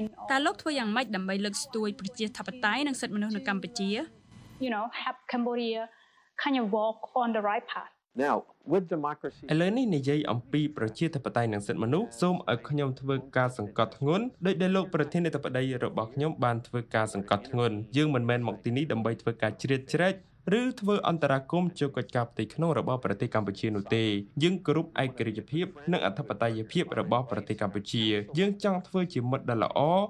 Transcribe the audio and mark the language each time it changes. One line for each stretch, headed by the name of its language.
Khmer: តើលោកធ្វើយ៉ាងម៉េចដើម្បីលើកស្ទួយប្រជាធិបតេយ្យនិងសិទ្ធិមនុស្សនៅកម្ពុជា
English: You know help CambodiaKind of walk on the right path. Now with democracy
Khmer: ឥឡូវនេះនិយាយអំពីប្រជាធិបតេយ្យនិងសិទ្ធិមនុស្សសូមឲ្យខ្ញុំធ្វើការសង្កត់ធ្ងន់ដោយដែលលោកប្រធានាធិបតីរបស់ខ្ញុំបានធ្វើការសង្កត់ធ្ងន់យើងមិនមែនមកទីនេះដើម្បីធ្វើការជ្រៀតជ្រែកឬធ្វើអន្តរាគមន៍ជាកិច្ចការផ្ទៃក្នុងរបស់ប្រទេសកម្ពុជានោះទេយើងគោរពឯករាជ្យភាពនិងអធិបតេយ្យភាពរបស់ប្រទេសកម្ពុជាយើងចង់ធ្វើជាមិត្តដ៏ល្អ